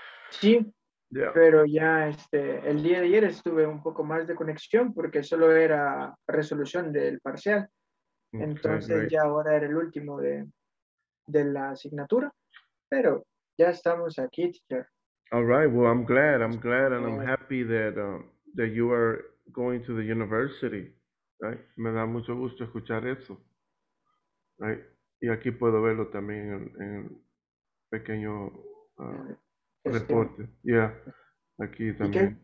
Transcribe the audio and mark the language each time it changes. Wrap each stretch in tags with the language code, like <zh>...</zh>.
<es>Sí, yeah. Pero ya este, el día de ayer estuve un poco más de conexión porque solo era resolución del parcial. Entonces okay, ya ahora era el último de la asignatura, pero ya estamos aquí, teacher.</es> <en>All right, well, I'm glad and I'm happy that that you are going to the university, right?</en> <es>Me da mucho gusto escuchar eso, right? Y aquí puedo verlo también en pequeño reporte, yeah, aquí también.</es>